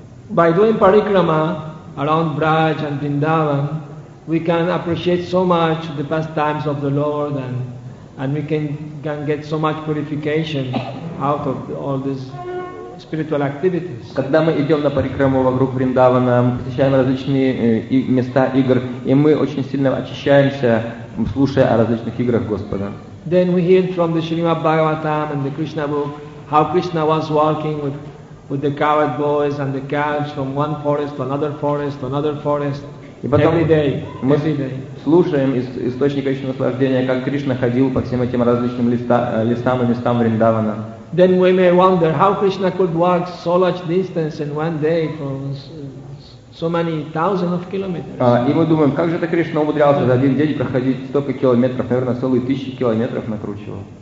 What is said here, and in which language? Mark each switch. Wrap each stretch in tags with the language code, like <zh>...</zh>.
<en>By doing parikrama around Braj and Vrindavan, we can appreciate so much the pastimes of the Lord and we can get so much purification out of all this. Spiritual activities.</en> <ru>Когда мы идем на парикраму вокруг Вриндавана, мы посещаем различные места игр, и мы очень сильно очищаемся, слушая о различных играх Господа.</ru> <en>Then we hear from the Srimad Bhagavatam and the Krishna book how Krishna was walking with the cowherd boys and the calves from one forest to another forest,</en> <ru>И потом</ru> <en>Every day.</en> <ru>Слушаем из источника еще наслаждения, как Кришна ходил по всем этим различным листам и местам Вриндавана.</ru> <en>Then we may wonder how Krishna could walk so much distance in one day from so many thousands of kilometers.</en> <ru>И мы думаем, как же это Кришна умудрялся за один день проходить столько километров, наверное, целые тысячи километров накручивал.</ru>